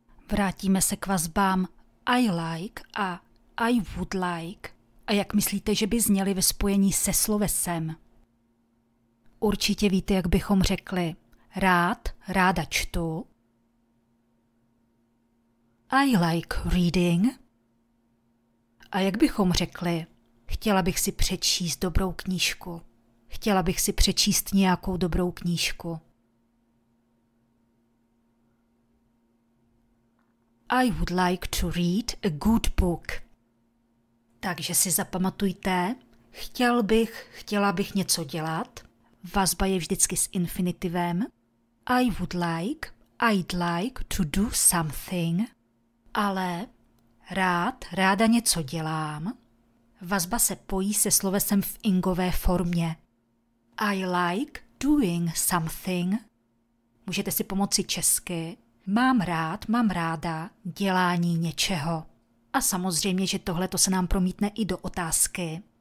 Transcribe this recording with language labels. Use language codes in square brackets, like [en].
[cs] Vrátíme se k vazbám I like a [en] I would like. [cs] A jak myslíte, že by zněly ve spojení se slovesem? Určitě víte, jak bychom řekli rád, ráda čtu. [en] I like reading. [cs] A jak bychom řekli, chtěla bych si přečíst dobrou knížku. Chtěla bych si přečíst nějakou dobrou knížku. [en] I would like to read a good book. [cs] Takže si zapamatujte, chtěla bych něco dělat. Vazba je vždycky s infinitivem. [en] I would like, I'd like to do something. [cs] Ale rád, ráda něco dělám. Vazba se pojí se slovesem v ingové formě. [en] I like doing something. [cs] Můžete si pomoci česky. Mám ráda dělání něčeho. A samozřejmě, že tohle to se nám promítne i do otázky.